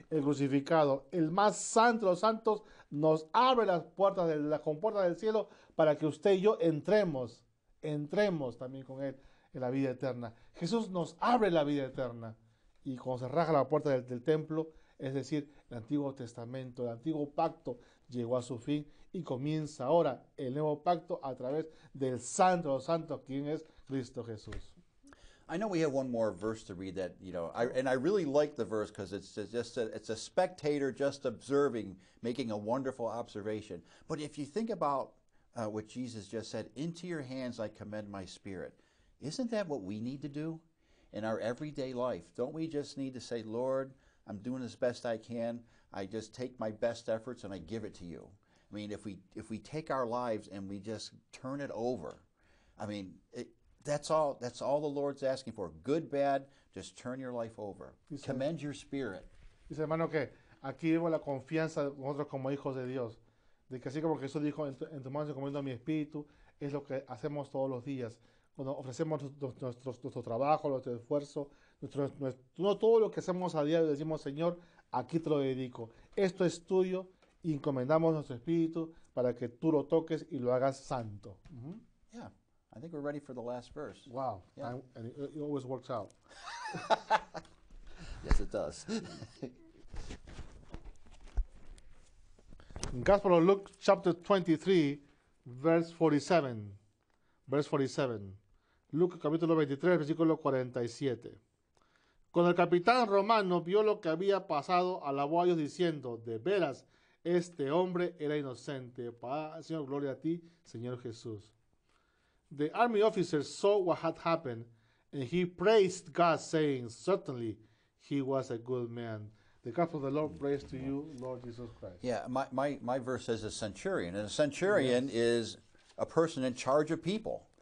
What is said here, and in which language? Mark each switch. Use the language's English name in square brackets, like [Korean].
[Spanish] El crucificado, el más santo de los santos, nos abre las puertas de la compuerta del cielo para que usted y yo entremos también con él. en la vida eterna. Jesús nos abre la vida eterna. Y cuando se raja la puerta del templo, es decir, el Antiguo Testamento, el Antiguo Pacto llegó a su fin y comienza ahora el Nuevo Pacto a través del Santo de los Santos, quien es Cristo Jesús. [English] I know we have one more verse to read that, you know, I really like the verse because it's a spectator just observing, making a wonderful observation. But if you think about what Jesus just said, into your hands I commend my spirit. Isn't that what we need to do in our everyday life? Don't we just need to say, Lord, I'm doing as best I can. I just take my best efforts and I give it to you. I mean, if we take our lives and we just turn it over, I mean, That's all the Lord's asking for. Good, bad, just turn your life over. [Spanish] Dice, [English] commend your spirit. [Spanish] Dice, hermano, que aquí vemos la confianza de nosotros como hijos de Dios. De que así como Jesús dijo, en tu mano se encomiendo a mi espíritu, es lo que hacemos todos los días. Cuando ofrecemos nuestro trabajo, nuestro esfuerzo, nuestro, todo lo que hacemos a diario, decimos, Señor, aquí te lo dedico. Esto es tuyo, y encomendamos nuestro espíritu para que tú lo toques y lo hagas santo. Mm-hmm. Yeah. [English] I think we're ready for the last verse. Wow. Yeah. And it always works out. Yes, it does. Gospel of Luke, chapter 23, verse 47. Verse 47. [Spanish] Luke, capítulo 23, versículo 47. Cuando el capitán romano vio lo que había pasado, alabó a Dios diciendo, de veras, este hombre era inocente. Señor, gloria a ti, Señor Jesús. [English] The army officer saw what had happened, and he praised God, saying, certainly, he was a good man. The gospel of the Lord, praise to you, Lord Jesus Christ. Yeah, my verse says a centurion, and a centurion yes. is a person in charge of people.